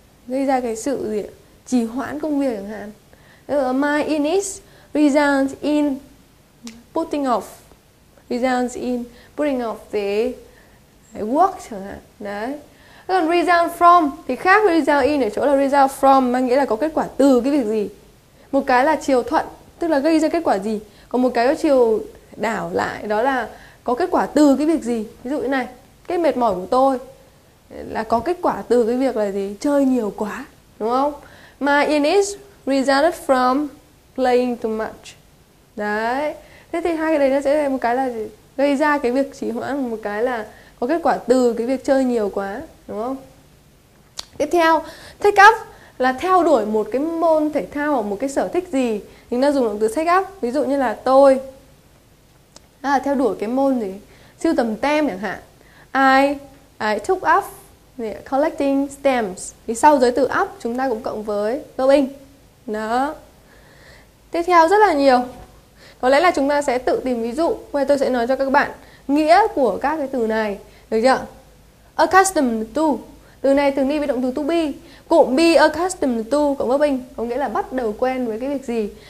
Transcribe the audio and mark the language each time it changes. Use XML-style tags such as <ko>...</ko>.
<vi>Gây ra cái sự gì ạ? Trì hoãn công việc chẳng hạn.</vi> <en>My illness results in putting off. Results in putting off the work</en> <vi>chẳng hạn. Đấy. Còn result from thì khác với result in ở chỗ là result from mang nghĩa là có kết quả từ cái việc gì. Một cái là chiều thuận, tức là gây ra kết quả gì. Còn một cái có chiều đảo lại, đó là có kết quả từ cái việc gì. Ví dụ như này, cái mệt mỏi của tôi là có kết quả từ cái việc là gì? Chơi nhiều quá, đúng không?</vi> <en>My illness resulted from playing too much.</en> <vi>Đấy. Thế thì hai cái đấy nó sẽ là một cái là gây ra cái việc trì hoãn, một cái là có kết quả từ cái việc chơi nhiều quá, đúng không? Tiếp theo, take up là theo đuổi một cái môn thể thao hoặc một cái sở thích gì. Chúng ta dùng động từ take up, ví dụ như là tôi là theo đuổi cái môn gì? Sưu tầm tem chẳng hạn.</vi> <en>I took up collecting stamps.</en> <vi>Thì sau giới từ up chúng ta cũng cộng với verb in. Đó. Tiếp theo rất là nhiều. Có lẽ là chúng ta sẽ tự tìm ví dụ. Vậy tôi sẽ nói cho các bạn nghĩa của các cái từ này. Được chưa? Accustomed to. Từ này thường đi với động từ to be. Cụm be accustomed to cộng verb in có nghĩa là bắt đầu quen với cái việc gì.</vi>